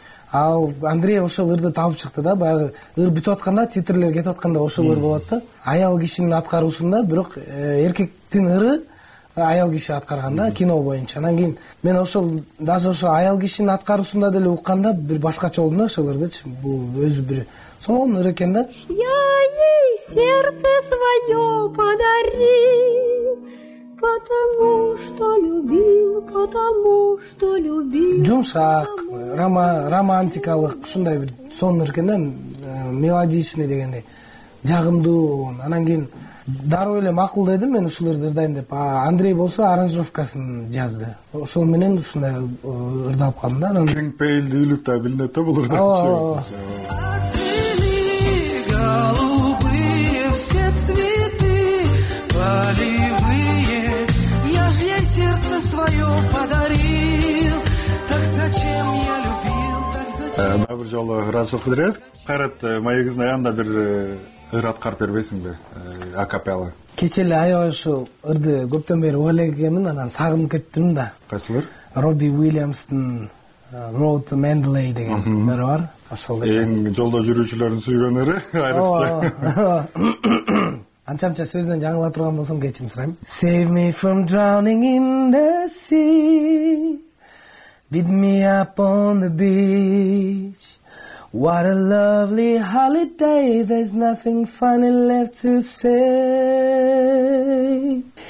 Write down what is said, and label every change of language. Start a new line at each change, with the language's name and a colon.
Kyrgyz: Ал Андрей ошол ырды табып чыкты да. Баягы ыр бүтүп атканда, титрлер кетип атканда ошол ыр болот да, аял кишинин аткаруусунда. Бирок эркектин ыры аял киши аткарган да кино боюнча. Анан кийин мен ошол даже ошол аял кишинин аткаруусунда деле укканда бир башкача болдум да ошол ырдычы. Бул өзү бир сонун ыр экен да.
Russian: Я ей сердце свое подарил, потому что любил, потому что любил.
Kyrgyz: Жумшак, романтикалык ушундай бир сонун ыр экен да, мелодичный дегендей жагымдуу болгон. Анан кийин дароо эле макул дедим мен ушул ырды ырдайм деп. Андрей болсо аранжировкасын жазды, ошол менен ушундай ырдалып калдым да. Анан кең пейилдүүлүк да билинет да бул ырда. Дагы бир жолу ыраазычылык билдиребиз. Кайрат, маегибиздин аягында бир ыр аткарып бербейсиңби акапелла? Кече эле аябай ушул ырды көптөн бери уга элек экенмин, анан сагынып кеттим да. Кайсыл ыр? Робби Уильямстын Road to Mandalay деген ыры бар. Ошол эң жолдо жүрүүчүлөрдүн сүйгөн ыры айрыкча. Анча-мынча сөзүнөн жаңыла турган болсом кечирим сурайм.
English: Save me from drowning in the sea, beat me up on the beach, what a lovely holiday, there's nothing funny left to say,